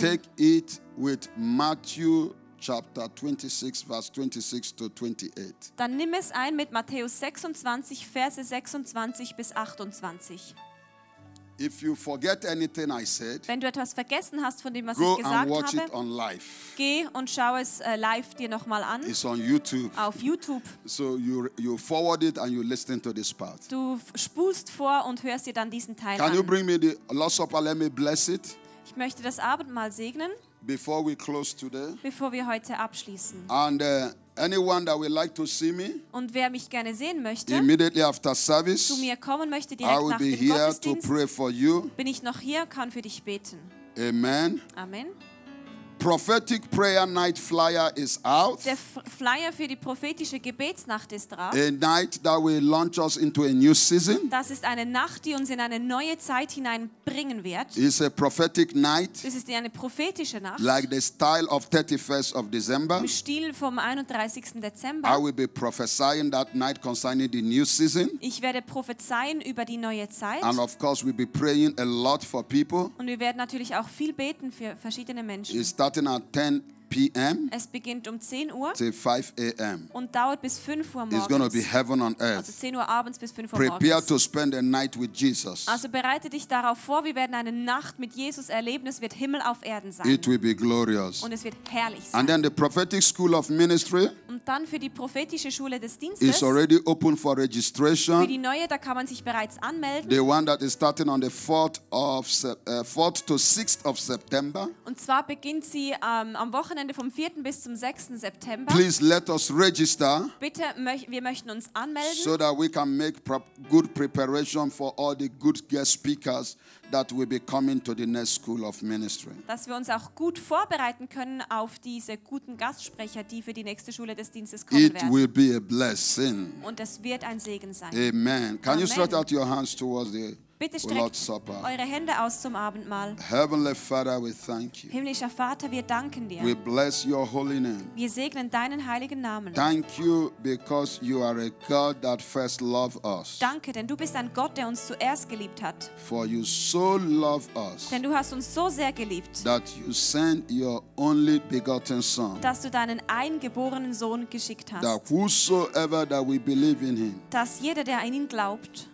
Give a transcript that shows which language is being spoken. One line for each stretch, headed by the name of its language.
English: take it with Matthew chapter 26, verse 26 to 28.
German: Dann nimm es ein mit Matthäus 26, Verse 26 bis 28.
English: If you forget anything I said,
German: wenn du etwas vergessen hast von dem, was ich gesagt
English: and watch
German: habe,
English: it on live.
German: Geh und schau es live dir nochmal an.
English: It's on YouTube.
German: Auf YouTube.
English: So you forward it and you listen to this part.
German: Du spulst vor und hörst dir dann diesen Teil
English: can
German: an.
English: Can you bring me the Lord's Supper? Let me bless it.
German: Ich möchte das Abendmahl segnen.
English: Before we close today.
German: Bevor wir heute abschließen.
English: And anyone that would like to see me,
German: und wer mich gerne sehen möchte,
English: immediately after service,
German: zu mir kommen möchte, direkt
English: I will
German: nach
English: be
German: dem
English: here
German: Gottesdienst,
English: to pray for you.
German: Bin ich noch hier, kann für dich beten.
English: Amen.
German: Amen.
English: Prophetic Prayer Night Flyer is out.
German: Der Flyer für die prophetische Gebetsnacht ist drauf.
English: A night that will launch us into a new season.
German: Das ist eine Nacht, die uns in eine neue Zeit hineinbringen wird.
English: It's a prophetic night.
German: Es ist eine prophetische Nacht.
English: Like the style of 31st of December.
German: Im Stil vom 31. Dezember.
English: I will be prophesying that night concerning the new season.
German: Ich werde prophezeien über die neue Zeit.
English: And of course we'll be praying a lot for people.
German: Und wir werden natürlich auch viel beten für verschiedene Menschen.
English: Starting at 10 p.m.
German: Es beginnt um 10 Uhr.
English: Till 5 a.m.
German: Und dauert bis 5 Uhr morgens.
English: It's going to be heaven on earth.
German: Also 10 Uhr abends bis 5 Uhr
English: prepare
German: morgens.
English: To spend a night with Jesus.
German: Also bereite dich darauf vor, wir werden eine Nacht mit Jesus erleben. Es wird Himmel auf Erden sein.
English: It will be glorious.
German: Und es wird herrlich sein.
English: And then the prophetic school of ministry.
German: Und dann für die prophetische Schule des Dienstes.
English: It's already open for registration.
German: Für die neue, da kann man sich bereits anmelden.
English: The one that is starting on the 4th to 6th of September.
German: Und zwar beginnt sie am Wochenende vom 4. bis zum 6. September.
English: Please let us register.
German: Bitte, wir möchten uns anmelden.
English: So that we can make good preparation for all the good guest speakers that will be coming to the next school of ministry.
German: Dass wir uns auch gut vorbereiten können auf diese guten Gastsprecher, die für die nächste Schule des Dienstes kommen
English: it
German: werden.
English: Will be a blessing.
German: Und es wird ein Segen sein.
English: Amen. Can you stretch out your hands towards the
German: Bitte streckt eure Hände aus zum Abendmahl.
English: Heavenly Father, we thank you.
German: Himmlischer Vater, wir danken dir.
English: We bless your holy name.
German: Wir segnen deinen heiligen Namen.
English: Thank you because you are a God that first loved us.
German: Danke, denn du bist ein Gott, der uns zuerst geliebt hat.
English: For you so love us.
German: Denn du hast uns so sehr geliebt.
English: That you sent your only begotten Son.
German: Dass du deinen eingeborenen Sohn geschickt hast.
English: That whosoever that we believe in him.
German: Dass jeder, der an ihn glaubt,